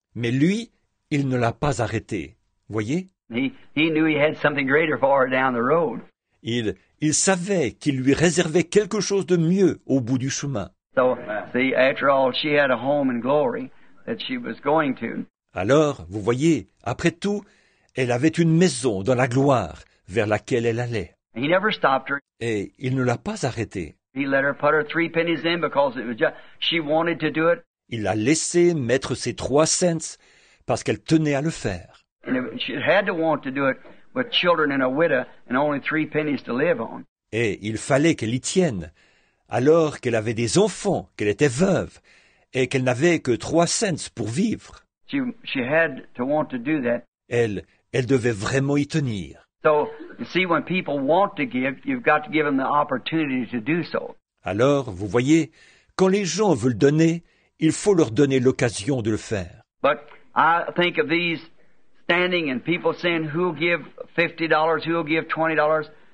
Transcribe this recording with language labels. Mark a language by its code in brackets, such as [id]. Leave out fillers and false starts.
[fr] Mais lui, il ne l'a pas arrêté. Voyez? [en] He knew he had something greater for her down the road. [fr] Il savait qu'il lui réservait quelque chose de mieux au bout du chemin. [en] So, see, after all, she had a home and glory that she was going to. [fr] Alors, vous voyez, après tout, elle avait une maison dans la gloire vers laquelle elle allait. [en] He never stopped her. [fr] Et il ne l'a pas arrêtée. [en] He let her put her 3 pennies in because it was just, she wanted to do it. [fr] Il l'a laissé mettre ses 3 cents parce qu'elle tenait à le faire. [en] And she had to want to do it with children and a widow and only 3 pennies to live on. [fr] Et il fallait qu'elle y tienne, alors qu'elle avait des enfants, qu'elle était veuve, et qu'elle n'avait que 3 cents pour vivre. [en] She had to want to do that. [fr] Elle devait vraiment y tenir. [en] So, you see, when people want to give, you've got to give them the opportunity to do so. [fr] Alors, vous voyez, quand les gens veulent donner, il faut leur donner l'occasion de le faire. [en] But I think of these standing and people saying, who'll give $50, who'll give $20?